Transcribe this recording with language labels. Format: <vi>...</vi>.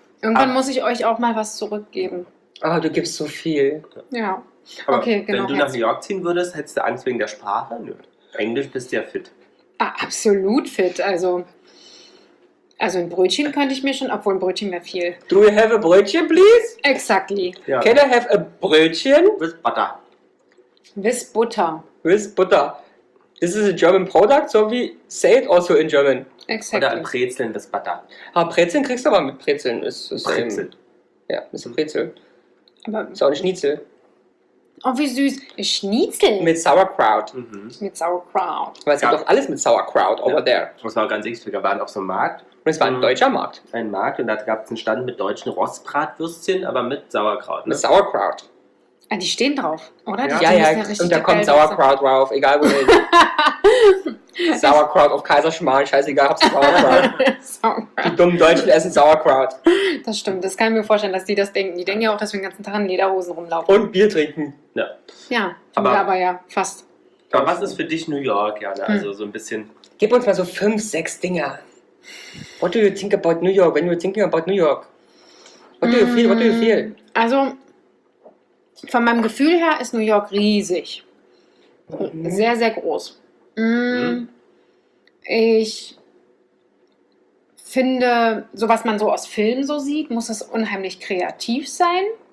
<de>Irgendwann muss ich euch auch mal was zurückgeben. Aber du gibst so viel. Ja. Aber okay, genau. Wenn du nach New York ziehen würdest, hättest du Angst wegen der Sprache? Nö. Englisch bist du ja fit. Ah, absolut fit. Also ein Brötchen könnte ich mir schon, obwohl ein Brötchen wäre viel.</de> <en>Do you have a Brötchen, please? Exactly. Ja. Can I have a Brötchen? With butter. With butter. With butter. This is a German product, so we say it also in German. Exactly.</en> <de>Oder ein Brezeln, das Butter. Aber Brezeln kriegst du aber mit Brezeln. Ist Brezel. Ja, das ist ein Brezel. Aber ist auch ein Schnitzel. Oh, wie süß. Ein Schnitzel? Mit Sauerkraut. Mhm. Mit Sauerkraut. Weil es gibt doch alles mit Sauerkraut</de> <en>over there.</en> <de>Das war ganz wichtig. Wir waren auf so einem Markt. Und es war ein deutscher Markt. Ein Markt und da gab es einen Stand mit deutschen Rostbratwürstchen, aber mit Sauerkraut. Ne? Mit Sauerkraut. Ah, die stehen drauf, oder? Ja, ja, und da kommt Sauerkraut drauf, egal wo. Sauerkraut auf Kaiserschmarrn, scheißegal, hab's Sauerkraut. Die dummen Deutschen essen Sauerkraut. Das stimmt, das kann ich mir vorstellen, dass die das denken. Die denken ja auch, dass wir den ganzen Tag in Lederhosen rumlaufen. Und Bier trinken. Ja, aber fast. Aber was ist für dich New York, Jana? Also so ein bisschen... Gib uns mal so 5, 6 Dinge.</de> <en>What do you think about New York, when you're thinking about New York? What do you feel?</en> <de>Also... Von meinem Gefühl her ist New York riesig. Sehr, sehr groß. Ich finde, so was man so aus Filmen so sieht, muss es unheimlich kreativ sein.</de>